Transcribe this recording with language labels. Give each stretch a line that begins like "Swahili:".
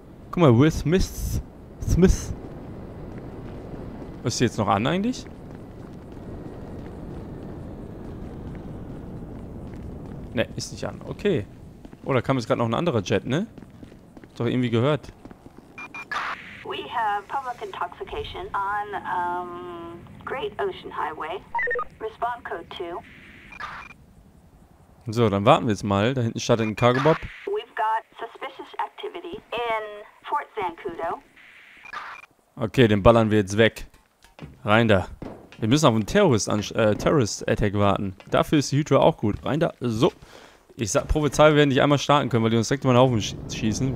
German: Guck mal, Will Smith. Smith. Was ist jetzt noch an eigentlich? Ne, ist nicht an. Okay. Oh, da kam jetzt gerade noch ein anderer Jet, ne? Doch irgendwie gehört.
English: We have public intoxication on Great Ocean Highway. Respond code 2.
German: So, dann warten wir jetzt mal. Da hinten startet ein Cargo Bob.
English: We've got suspicious activity in Fort Zancudo.
German: Okay, den ballern wir jetzt weg. Rein da. Wir müssen auf einen Terrorist-Attack warten. Dafür ist die Hydra auch gut. Rein da. So. Ich sag, prophezei, wir werden nicht einmal starten können, weil die uns direkt über den Haufen schießen.